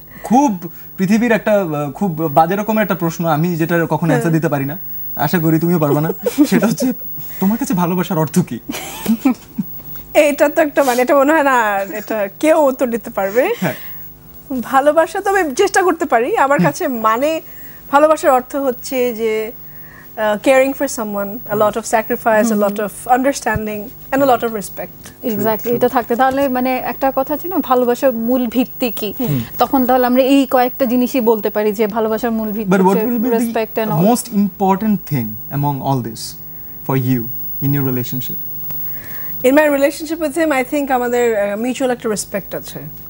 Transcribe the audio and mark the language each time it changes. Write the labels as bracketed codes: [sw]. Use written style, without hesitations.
[bn] খুব পৃথিবীর একটা খুব বাজে রকমের একটা প্রশ্ন, আমি যেটা কখনো অ্যান্সার দিতে পারি না, আশা করি তুমিও পারবে না, সেটা হচ্ছে তোমার কাছে ভালোবাসার অর্থ কি? এটা তো একটা মানে এটা মনে হয় না এটা কেউ উত্তর দিতে পারবে। ভালোবাসা তো আমি চেষ্টা করতে পারি। আমার কাছে মানে ভালোবাসার অর্থ হচ্ছে যে [en] caring for someone, a lot of sacrifice, a lot of understanding and a lot of respect. Exactly. [bn] এটা থাকতে তাহলে মানে একটা কথা আছে না, ভালোবাসার মূল ভিত্তি কি, তখন তাহলে আমরা এই কয়েকটা জিনিসই বলতে পারি যে ভালোবাসার মূল ভিত্তি হচ্ছে [en] respect and all. But what will be the most important thing among all this for you in your relationship? In my relationship with him, I think [bn] আমাদের mutual একটা respect আছে.